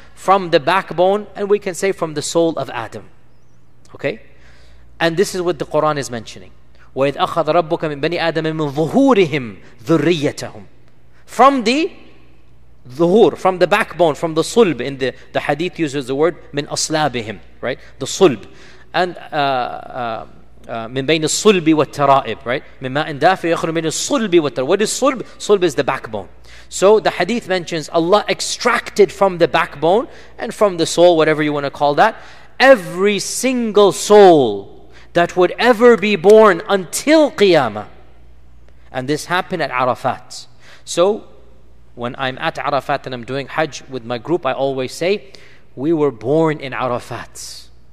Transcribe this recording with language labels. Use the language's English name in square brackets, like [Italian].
[English] From the backbone, and we can say from the soul of Adam. Okay? And this is what the Quran is mentioning. [Arabic] وَإِذْ أَخَذَ رَبُّكَ مِنْ بَنِي آدَمٍ مِنْ ظُهُورِهِمْ ذُرِّيَّتَهُمْ. [English] From the ظُهُور, from the backbone, from the صُلْب. In the hadith uses the word [Arabic] مِنْ أَصْلَابِهِمْ, [English] right? The صُلْب. [Arabic] And مِنْ بَيْنِ الصُّلْبِ وَالتَّرَائِبِ, right? مِنْ مَاءٍ دَافِئٍ يَخْرُجُ مِنَ الصُّلْبِ وَالتَّرَائِبِ. [English] What is [Arabic] صُلْب? [English] صُلْب is the backbone. So the hadith mentions Allah extracted from the backbone and from the soul, whatever you want to call that, every single soul that would ever be born until Qiyamah. And this happened at Arafat. So when I'm at Arafat and I'm doing Hajj with my group, I always say, we were born in Arafat.